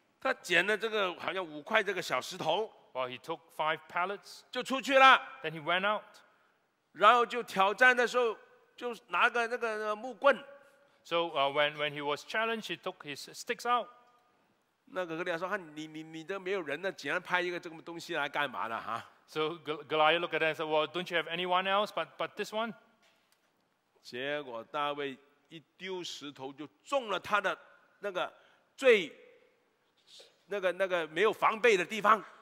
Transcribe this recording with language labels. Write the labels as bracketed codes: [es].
[zh] 他捡了这个好像五块这个小石头。 [en] Well, he took 5 pellets. [zh] 就出去了。 [en] Then he went out. [zh] 然后就挑战的时候，就拿个那个木棍。 [en] So when he was challenged, he took his sticks out. [zh] 那个哥利亚说：“哈，你都没有人了，竟然派一个这么东西来干嘛呢？哈。 [en] ”So Goliath looked at him and said, "Well, don't you have anyone else but this one?" [zh] 结果大卫一丢石头就中了他的那个最那个没有防备的地方。